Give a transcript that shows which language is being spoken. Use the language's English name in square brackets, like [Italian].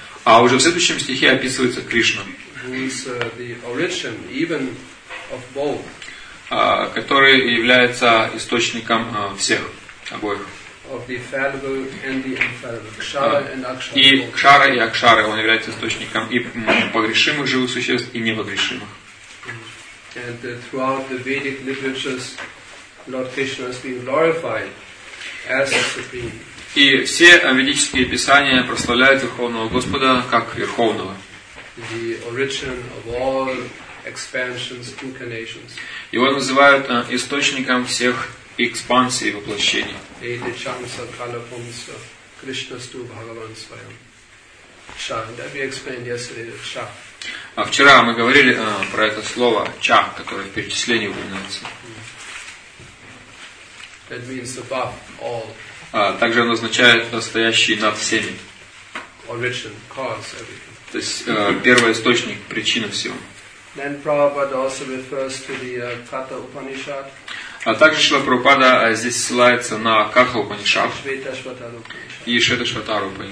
[Russian] А уже в следующем стихе описывается Кришна, который является источником всех, обоих. [English] Of the fallible and the infallible. Кшара and Акшара. [Russian] И Кшара и Акшара, он является источником и погрешимых живых существ, и непогрешимых. [English] And throughout the Vedic literatures, Lord Krishna has been glorified as the Supreme. [Russian] И все ведические писания прославляют Верховного Господа как Верховного. [English] The origin of all expansions, incarnations. [Russian] Его называют источником всех экспансий и воплощений. [Sanskrit] Эйди чанса калапумса, Кришна сту бхагаван свайам. [English] Ша, that we explained yesterday, ша. [Russian] А вчера мы говорили про это слово «ча», которое в перечислении упоминается. [English] That means above all. [Russian] Также оно означает «настоящий над всеми». [English] Origin, cause, everything. [Russian] То есть первый источник, причина всего. [English] Then Prabhupada also refers to the Katha Upanishad. [Russian] А также Шрила Прабхупада здесь ссылается на Катха Упанишад и Шритишватара